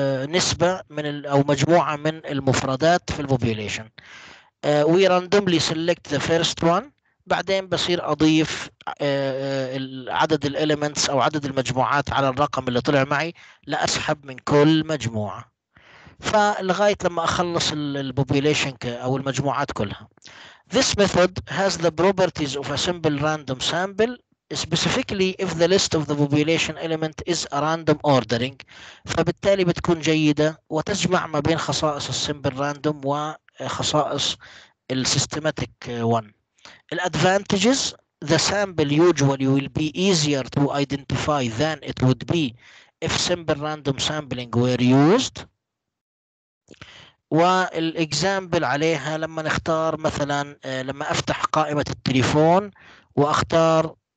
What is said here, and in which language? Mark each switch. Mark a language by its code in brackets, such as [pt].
[ar] نسبة من أو مجموعة من المفردات في البوبوليشن، [en] we randomly select the first one، [ar] بعدين بصير أضيف عدد الelements أو عدد المجموعات على الرقم اللي طلع معي لأسحب من كل مجموعة، فلغاية لما أخلص البوبوليشن أو المجموعات كلها. [en] This method has the properties of a simple random sample, specifically if the list of the population element is a random ordering. [ar] فبالتالي بتكون جيدة وتجمع ما بين خصائص simple random وخصائص systematic one. [en] Advantages: the sample usually will be easier to identify than it would be if simple random sampling were used. [ar] والإكزامبل عليها لما نختار مثلا لما أفتح قائمة التليفون وأختار